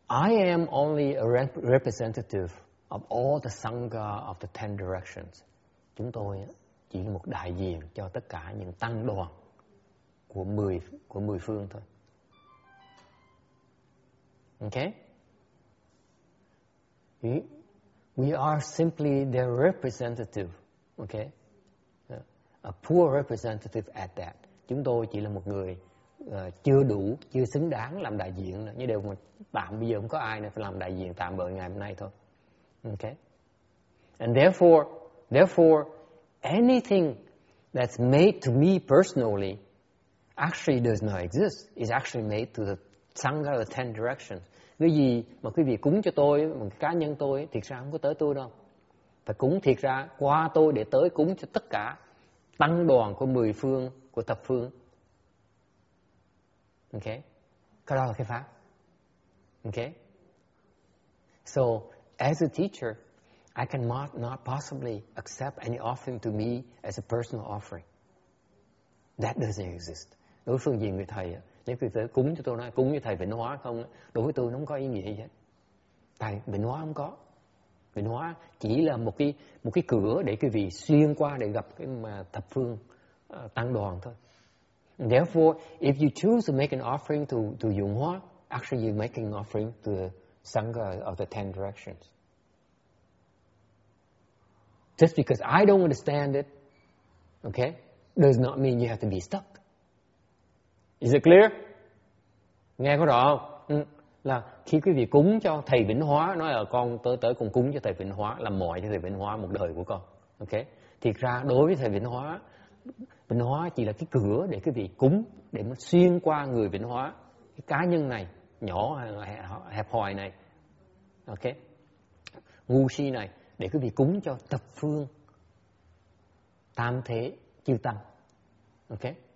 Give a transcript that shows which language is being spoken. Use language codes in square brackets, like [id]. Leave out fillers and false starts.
[en] I am only a representative of all the Sangha of the 10 directions. [vi] Chúng tôi chỉ là một đại diện cho tất cả những tăng đoàn của 10 phương thôi. [en] Okay? We are simply their representative. Okay? A poor representative at that. [vi] Chúng tôi chỉ là một người chưa đủ, chưa xứng đáng làm đại diện nữa. Như đều tạm bây giờ không có ai nên phải làm đại diện tạm bợ ngày hôm nay thôi. [en] Okay. And therefore anything that's made to me personally actually does not exist. It's actually made to the Sangha of the 10 directions. [vi] Cái gì mà quý vị cúng cho tôi, một cá nhân tôi thiệt ra không có tới tôi đâu. Phải cúng thiệt ra qua tôi để tới cúng cho tất cả tăng đoàn của 10 phương của thập phương. Okay. Cái đó là cái pháp. Okay. [en] So as a teacher, I cannot not possibly accept any offering to me as a personal offering. That doesn't exist. [vi] Đối với phương diện người thầy, nếu quý vị cúng cho tôi nói, cúng như thầy Vĩnh Hóa không, đối với tôi nó không có ý nghĩa gì hết. Tại Vĩnh Hóa không có. Vĩnh Hóa chỉ là một cái cửa để quý vị xuyên qua để gặp cái mà thập phương tăng đoàn thôi. [en] Therefore, if you choose to make an offering to Dũng Hóa, actually you're making an offering to Sangha of the 10 directions. Just because I don't understand it, okay, does not mean you have to be stuck. Is it clear? [vi] Nghe có rõ không? Là khi quý vị cúng cho thầy Vĩnh Hóa, nói là con tới cùng cúng cho thầy Vĩnh Hóa, làm mọi cho thầy Vĩnh Hóa một đời của con. Okay? Thiệt ra đối với thầy Vĩnh Hóa chỉ là cái cửa để quý vị cúng, để mà xuyên qua người Vĩnh Hóa, cái cá nhân này, nhỏ hẹp hòi này, okay, ngu si này, để quý vị cúng cho thập phương tam thế chư tăng, okay.